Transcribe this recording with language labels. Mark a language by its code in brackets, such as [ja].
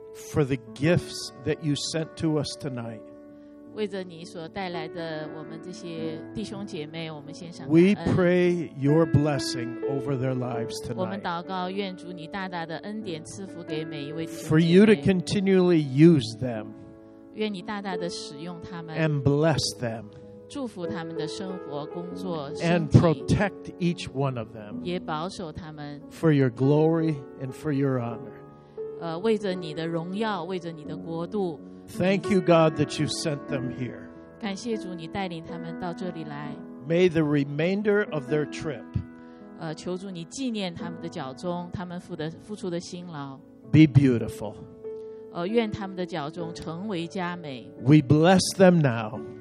[en] For the gifts that you sent to us tonight. [zh] 为着你所带来的我们这些弟兄姐妹，我们献上。 [en] We pray your blessing over their lives tonight. [zh] 我们祷告，愿主你大大的恩典赐福给每一位弟兄姐妹。 [en] For you to continually use them. [zh] 愿你大大的使用他们。 [en] And bless them. [zh] 祝福他们的生活、工作、身体。 [en] And protect each one of them. [zh] 也保守他们。 [en] For your glory and for your honor. [zh] 为着你的荣耀，为着你的国度。 [en] Thank you, God, that you sent them here. [zh] 感谢主，你带领他们到这里来。 [en] May the remainder of their trip. [zh] 求主你纪念他们的脚中，他们付出的辛劳。 [en] Be beautiful. [zh] 愿他们的脚中成为佳美。 [en] We bless them now.